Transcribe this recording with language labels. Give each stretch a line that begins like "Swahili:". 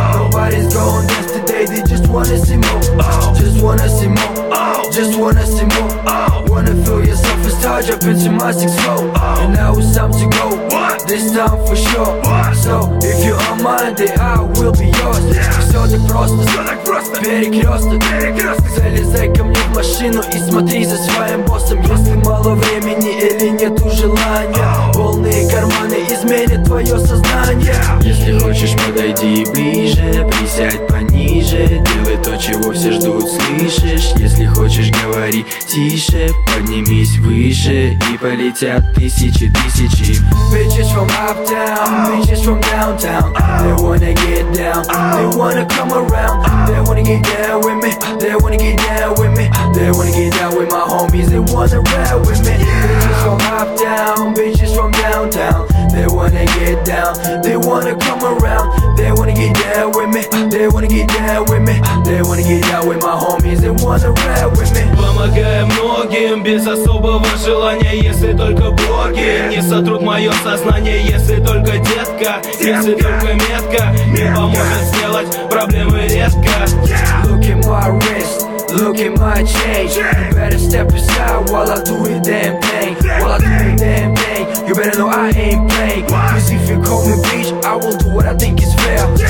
English: Nobody's gone dance today. They just wanna see more. Just wanna see more. Just wanna see more. Wanna feel yourself a star, jump into my 6-4. And now it's time to go. This time for sure. So if you are mine, then I will be yours.
Russian: Все так просто, все так просто. Перекресток, перекресток. Залезай ко мне в машину и смотри за своим боссом. Если мало времени или нету желания, полные карманы изменят твое сознание. Если хочешь, подойди ближе, присядь пониже. Делай то, чего все ждут, слышишь? Если хочешь, говори тише. Поднимись выше, и полетят тысячи, тысячи.
English: Bitches from uptown, bitches from downtown. They wanna get down, they wanna come around. They wanna get down with me, they wanna get down with me. They wanna get down with my homies, they wanna ride with me. Bitches from uptown, bitches from downtown. They wanna get down, they wanna come around. They wanna get down with me, they wanna get down with me. They wanna get down with my homies, they wanna ride with me.
Russian: Помогаем многим без особого желания, если только боги не сотрут мое сознание. Если только детка, если только метка не поможет сделать проблемы резко.
English: Look at my wrist, look at my chain. You better step aside while I do it damn pain. While I do it damn pain, you better know I ain't playing. Cause if you call me bitch, I will do what I think is fair.